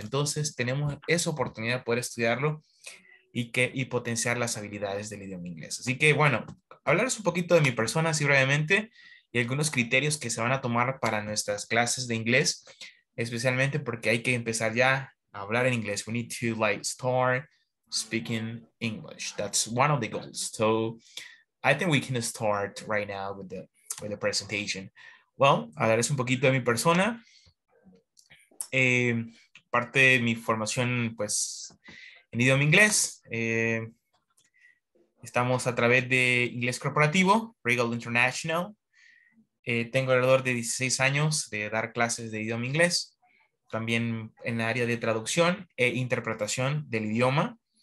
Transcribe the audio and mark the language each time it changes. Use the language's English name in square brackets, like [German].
[Spanish] Entonces tenemos esa oportunidad de poder estudiarlo y potenciar las habilidades del idioma inglés. Así que bueno, hablarles un poquito de mi persona así brevemente y algunos criterios que se van a tomar para nuestras clases de inglés, especialmente porque hay que empezar ya a hablar en inglés. [English] We need to like start speaking English. That's one of the goals. So I think we can start right now with the presentation. [Spanish] Well, hablarles un poquito de mi persona. Parte de mi formación pues en idioma inglés. Estamos a través de Inglés Corporativo, Regal International. Tengo alrededor de 16 años de dar clases de idioma inglés, también en el área de traducción e interpretación del idioma.